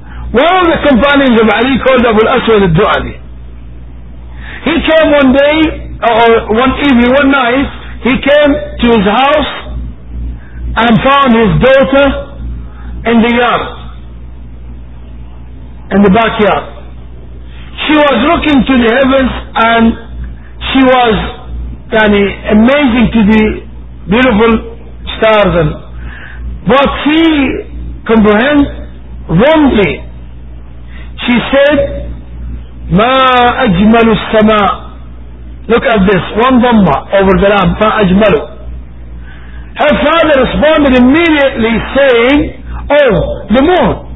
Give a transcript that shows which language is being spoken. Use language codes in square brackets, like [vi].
[en] One of the companions of Ali called Abu al-Aswad al-Du'ali. He came one day, or one evening, one night, he came to his house and found his daughter in the yard, in the backyard. She was looking to the heavens and she was amazing to the beautiful stars. But she comprehended wrongly. She said, [ar] ما أجمل السماء. [en] Look at this, one dhamma over the lamb, [ar] ما أجمل. [en] Her father responded immediately saying, oh, the moon.